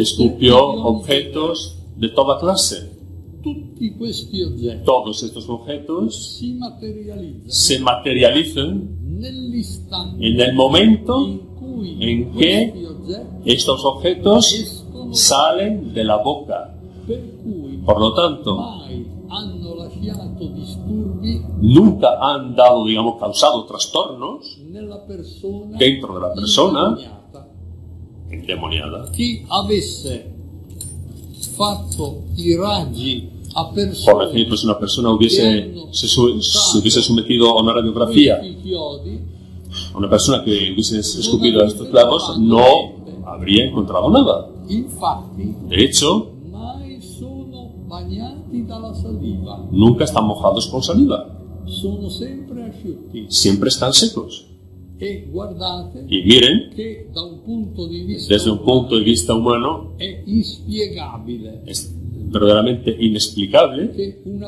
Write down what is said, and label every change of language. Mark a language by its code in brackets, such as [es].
[es] escupió objetos de toda clase. [it] Tutti questi oggetti, [es] todos estos objetos [it] si materializzano, [es] se materializan [it] nell'istante, [es] en el momento en que estos objetos salen de la boca. [it] Per cui, [es] por lo tanto, [it] mai hanno lasciato disturbi, [es] nunca han dado, digamos, causado trastornos [it] nella persona, [es] dentro de la persona endemoniada. [it] Chi avesse fatto i raggi a persone, [es] por ejemplo, si una persona hubiese, se hubiese sometido a una radiografía, una persona que hubiese escupido a estos clavos no habría encontrado nada. [it] Infatti, [es] de hecho, [it] mai sono bagnati dalla saliva, [es] nunca están mojados con saliva, [it] sono sempre asciutti, [es] siempre están secos. [it] E guardate, [es] y miren [it] que da un punto di vista, [es] desde un punto de vista humano [it] è inspiegabile, [es] es verdaderamente inexplicable que